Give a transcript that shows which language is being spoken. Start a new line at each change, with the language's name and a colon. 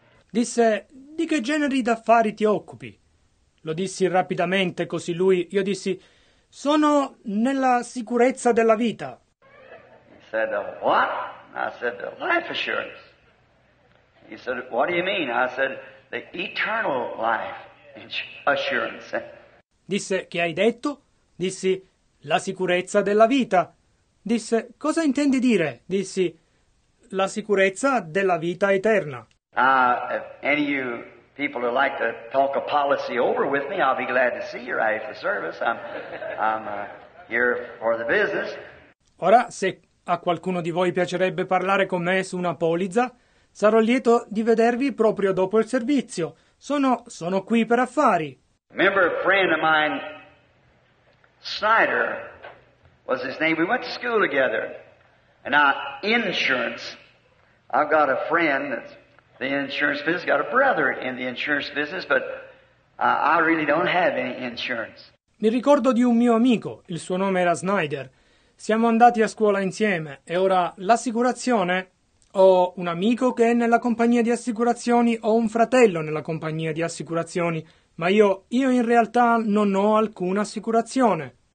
Italian: Disse, di che generi d'affari ti occupi? Lo dissi rapidamente così lui, io dissi, sono nella sicurezza della vita.
English: He said, what? I said, the life assurance. He said, what do you mean? I said, the eternal life assurance.
Italian: Disse, che hai detto? Dissi, la sicurezza della vita. Disse, cosa intendi dire? Dissi, la sicurezza della vita eterna.
English: If any of you people would like to talk a policy over with me, I'll be glad to see you right after service. I'm here for the business.
Italian: Ora, se a qualcuno di voi piacerebbe parlare con me su una polizza, sarò lieto di vedervi proprio dopo il servizio. Sono qui per affari.
English: Remember a friend of mine, Snyder, was his name. We went to school together. And our insurance, I've got a friend that's the insurance business, got a brother in the insurance business, but I really don't have any insurance.
Italian: Mi ricordo di un mio amico, il suo nome era Snyder. Siamo andati a scuola insieme e ora l'assicurazione, ho un amico che è nella compagnia di assicurazioni, ho un fratello nella compagnia di assicurazioni, ma io in realtà non ho alcuna assicurazione.